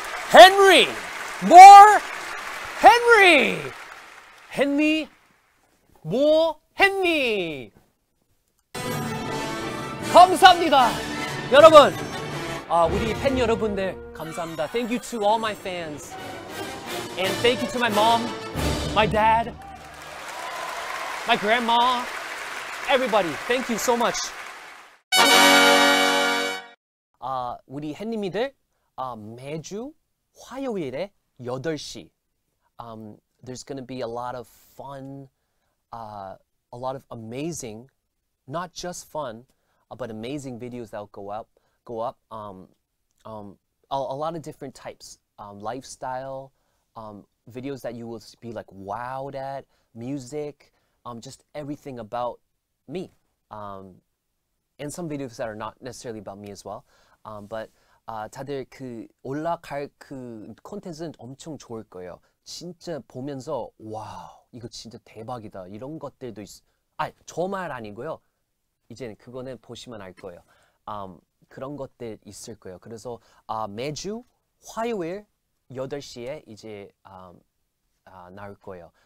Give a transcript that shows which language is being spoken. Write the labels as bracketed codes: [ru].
[en] Henry! More Henry! Henry? More Henry! [ko] 감사합니다! 여러분! 아, 우리 팬 여러분들, 감사합니다. [en] Thank you to all my fans. And thank you to my mom, my dad, my grandma, everybody. Thank you so much. [ko] 우리 햇님이들 매주 화요일에 8시 [en] there's gonna be a lot of fun a lot of amazing not just fun but amazing videos that'll go up a lot of different types lifestyle videos that you will be like wowed at music just everything about me and some videos that are not necessarily about me as well. [ko] But 다들 그 올라갈 그 콘텐츠는 엄청 좋을 거예요. 진짜 보면서 와, 이거 진짜 대박이다. 이런 것들도 있. 아, 저말 아니고요. 이제 그거는 보시면 알 거예요. 그런 것들 있을 거예요. 그래서 매주 화요일 8시에 이제 나올 거예요.